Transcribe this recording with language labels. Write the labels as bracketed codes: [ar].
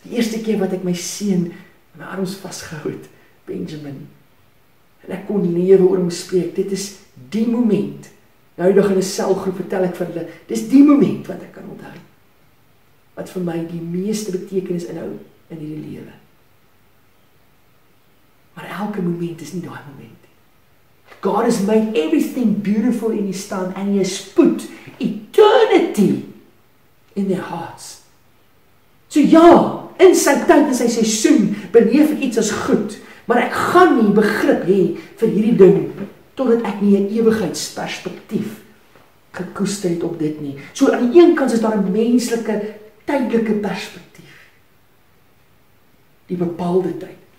[af] Die eerste keer wat ek my seun in my arms vasgehou het, Benjamin, en ek kon lewe oor hom spreek, dit is die moment. Nou nog in 'n selgroep vertel ek vir hulle, dis die moment wat ek kan onthou. Wat vir my die meeste betekenis inhou in hierdie lewe. Maar elke moment is nie daai moment nie. [en] God has made everything beautiful in his time and he has put eternity in their hearts. [af] So ja, in sy tyd en sy seisoen beleef ek iets as goed, maar ek gaan nie begrip hê vir hierdie ding totdat ek nie 'n ewigheidsperspektief gekoester het op dit nie. So aan die een kant is daar 'n menslike, tydelike perspektief. Die bepaalde tyd.